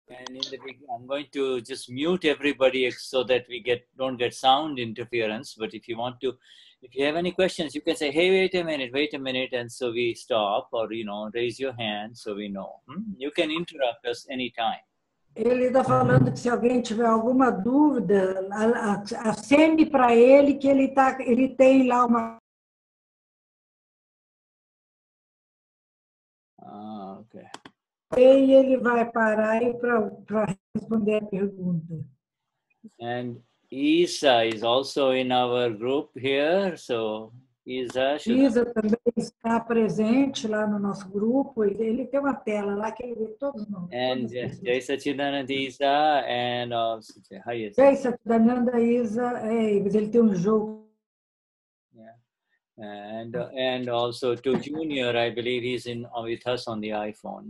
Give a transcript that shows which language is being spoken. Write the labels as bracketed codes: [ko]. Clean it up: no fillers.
[en] And in the beginning, I'm going to just mute everybody so that we don't get sound interference. But if you want to, if you have any questions, you can say, hey, wait a minute. And so we stop or, you know, raise your hand so we know. You can interrupt us anytime. [pt] Ele está falando que se alguém tiver alguma dúvida, acende para ele que ele tem lá uma... E ele vai parar para responder a pergunta. [en] And Isa is also in our group here, so Isa should... [pt] Isa também está presente lá no nosso grupo. Ele tem uma tela lá que ele vê todos nós. [en] And Jai Satchidananda Isa and also Jai Isa. [pt] Jai Satchidananda Isa, mas ele tem um jogo. [en] And also to Junior, I believe he's in with us on the iPhone.